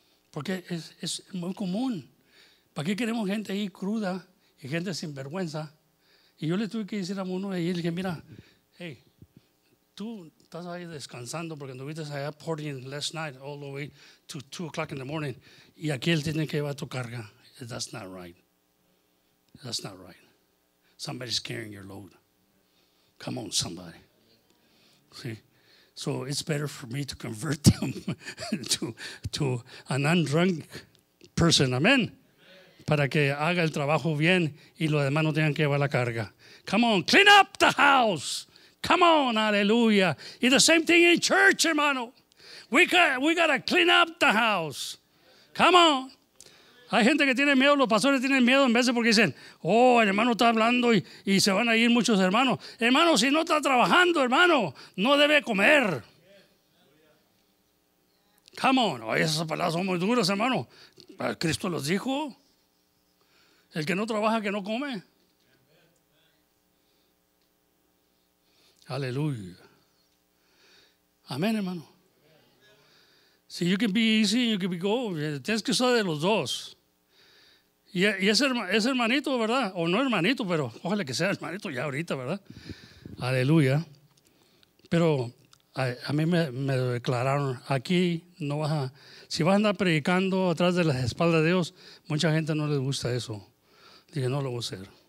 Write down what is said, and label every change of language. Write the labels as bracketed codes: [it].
[es] Porque es muy común. ¿Para qué queremos gente ahí cruda y gente sin vergüenza? Y yo le tuve que decir a uno de ellos, le dije, mira, hey, tú estás ahí descansando porque anduviste allá [en] partying last night all the way to 2 o'clock in the morning, [es] y aquí él tiene que llevar tu carga. [en] That's not right. That's not right. Somebody's carrying your load. Come on, somebody. See? So it's better for me to convert them to an undrunk person. Amen. [es] Para que haga el trabajo bien y los demás no tengan que llevar la carga. [en] Come on, clean up the house. Come on, aleluya. Y the same thing in church, hermano. We got to clean up the house. Come on. [es] Hay gente que tiene miedo, los pastores tienen miedo en veces porque dicen, oh, el hermano está hablando y se van a ir muchos hermanos. Hermano, si no está trabajando, hermano, no debe comer. [en] Come on. [es] Ay, esas palabras son muy duras, hermano. Cristo los dijo. El que no trabaja, que no come. Aleluya. Amén, hermano. [en] See, you can be easy and you can be go. [es] Tienes que usar de los dos. Y ese hermanito, ¿verdad? O no hermanito, pero ojalá que sea hermanito ya ahorita, ¿verdad? Aleluya. Pero a mí me declararon, aquí no vas a... Si vas a andar predicando atrás de las espaldas de Dios, mucha gente no les gusta eso. Dije, no lo voy a hacer.